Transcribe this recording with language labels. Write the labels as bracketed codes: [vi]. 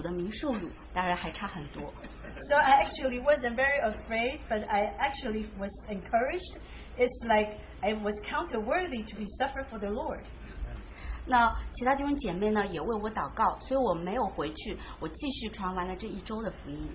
[zh] 但是我没有很害怕，我接到这电话我反而有点激动，那感觉好像就是，算配位主的名受辱，当然还差很多。 [en] So I actually wasn't very afraid, but I actually was encouraged. It's like I was counted worthy to be suffered for the Lord. [zh] 那其他弟兄姐妹呢也为我祷告，所以我没有回去，我继续传完了这一周的福音。